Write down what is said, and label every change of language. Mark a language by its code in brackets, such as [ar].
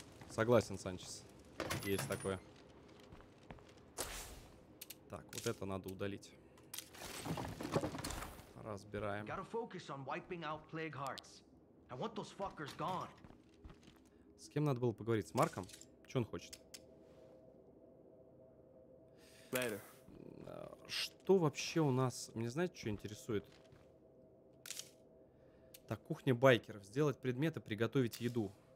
[ru] Согласен, Санчес. Есть такое. Так, вот это надо удалить. Разбираем. [en] Gotta focus on wiping out plague hearts. I want those fuckers gone. [ru] С кем надо было поговорить? С Марком? Че он хочет? [en] Later. [ru] Что вообще у нас? Мне знаете, что интересует? Так, кухня байкеров. Сделать предметы, приготовить еду.